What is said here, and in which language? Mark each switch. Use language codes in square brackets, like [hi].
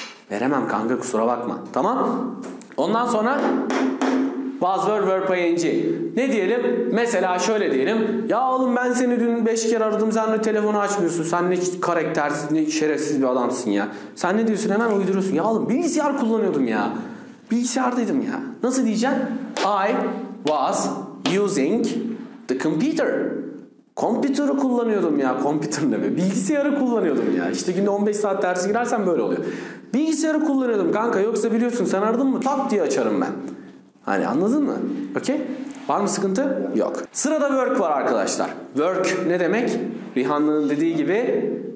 [tr] Veremem kanka kusura bakma. Tamam. Ondan sonra Buzzword verb ing. Ne diyelim? Mesela şöyle diyelim. Ya oğlum ben seni dün 5 kere aradım, sen de telefonu açmıyorsun. Sen ne karaktersiz, ne şerefsiz bir adamsın ya. Sen ne diyorsun? Hemen uyduruyorsun. Ya oğlum bilgisayar kullanıyordum ya. Bilgisayardaydım ya. Nasıl diyeceksin? [en] I was using the computer. [tr] Kompütörü kullanıyordum ya. Kompütör ne be? Bilgisayarı kullanıyordum ya. İşte günde 15 saat dersi girersen böyle oluyor. Bilgisayarı kullanıyordum kanka. Yoksa biliyorsun sen aradın mı? Tak diye açarım ben. Hani anladın mı? Okey. Var mı sıkıntı? Yok. Sırada work var arkadaşlar. Work ne demek? Rihanna'nın dediği gibi.